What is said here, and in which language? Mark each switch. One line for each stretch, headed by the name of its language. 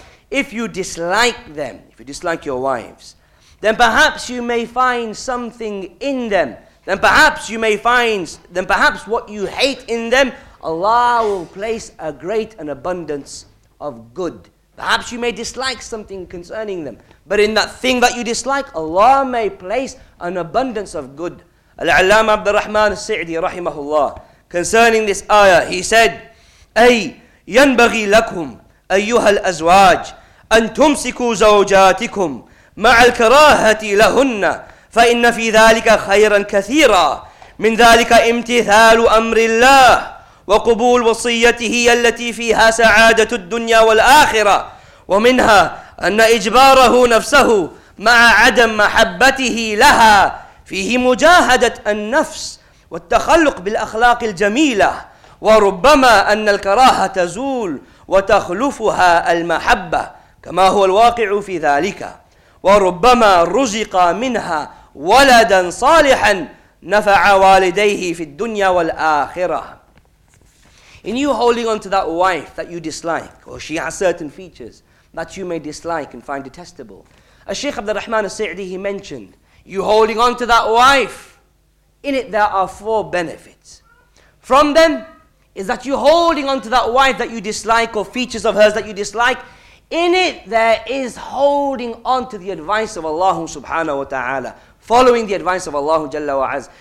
English: If you dislike them, if you dislike your wives, then perhaps you may find something in them. Then perhaps what you hate in them, Allah will place a great and abundance of good. Perhaps you may dislike something concerning them, but in that thing that you dislike, Allah may place an abundance of good. Al-Allama Abdul Rahman al-Sa'di rahimahullah, concerning this ayah, he said,
Arabic: أي ينبغي لكم أيها الأزواج أن تمسكوا زوجاتكم مع الكراهة لهن فإن في ذلك خيرا كثيرا من ذلك امتثال أمر الله وقبول وصيته التي فيها سعادة الدنيا والآخرة، ومنها أن إجباره نفسه مع عدم محبته لها فيه مجاهدة النفس والتخلق بالأخلاق الجميلة، وربما أن الكراهة تزول وتخلفها المحبة كما هو الواقع في ذلك، وربما رزق منها ولدا صالحا نفع والديه في الدنيا والآخرة.
English: In you holding on to that wife that you dislike, or she has certain features that you may dislike and find detestable, as Sheikh Abdul Rahman al-Sa'di, he mentioned, you holding on to that wife, in it there are four benefits. From them is that you holding on to that wife that you dislike, or features of hers that you dislike, in it there is holding on to the advice of Allah subhanahu wa ta'ala, following the advice of Allah jalla wa az.